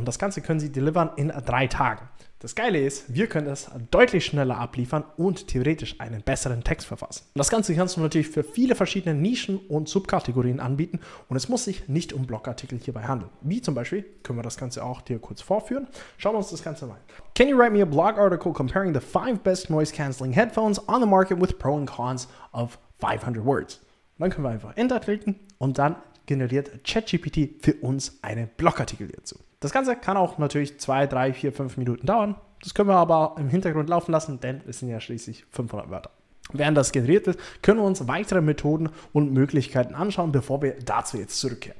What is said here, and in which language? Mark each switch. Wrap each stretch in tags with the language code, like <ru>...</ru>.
<de>Und das Ganze können Sie delivern in 3 Tagen. Das Geile ist, wir können das deutlich schneller abliefern und theoretisch einen besseren Text verfassen. Das Ganze kannst du natürlich für viele verschiedene Nischen und Subkategorien anbieten und es muss sich nicht um Blogartikel hierbei handeln. Wie zum Beispiel, können wir das Ganze auch dir kurz vorführen. Schauen wir uns das Ganze mal an.</de> <en>Can you write me a blog article comparing the 5 best noise cancelling headphones on the market with pros and cons of 500 words?</en> <de>Dann können wir einfach Enter klicken und dann generiert ChatGPT für uns einen Blogartikel hierzu. Das Ganze kann auch natürlich 2, 3, 4, 5 Minuten dauern. Das können wir aber im Hintergrund laufen lassen, denn es sind ja schließlich 500 Wörter. Während das generiert ist, können wir uns weitere Methoden und Möglichkeiten anschauen, bevor wir dazu jetzt zurückkehren.</de>